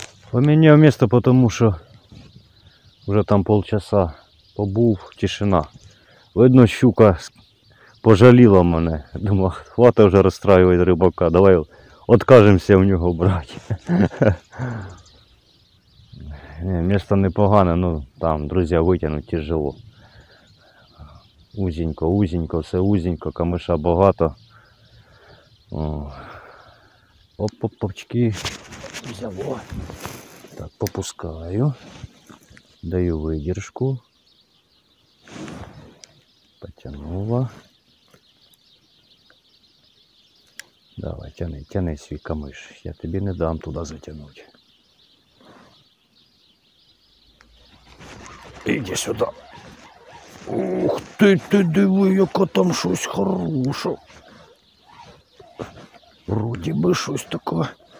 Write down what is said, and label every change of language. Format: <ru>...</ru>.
<uk>Поміняв місце, тому що вже там полчаса побув, тишина. Видно, щука пожаліла мене. Думав, хватить вже розстраювати рибака, давай відкажемося в нього брати. Не, місце непогане, ну там, друзі, витягнути тяжело. Узенько, узенько, все узенько, камиша багато.</uk> <ru>Оп-оп-опчки, взяло. Так, попускаю, даю выдержку, потянула, давай, тяни, тяни свой камыш, я тебе не дам туда затянуть. Иди сюда, Ух ты,</ru> <uk>ты диви, яка там щось хороше. Вроді би щось таке.</uk>